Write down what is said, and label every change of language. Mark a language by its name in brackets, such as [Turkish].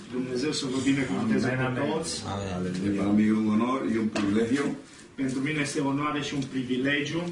[Romanian] Dumnezeu să vă binecuvânteze pe toți. [Spanish] E para mí un honor y un privilegio. [Romanian] Pentru mine este o onoare și un privilegiu.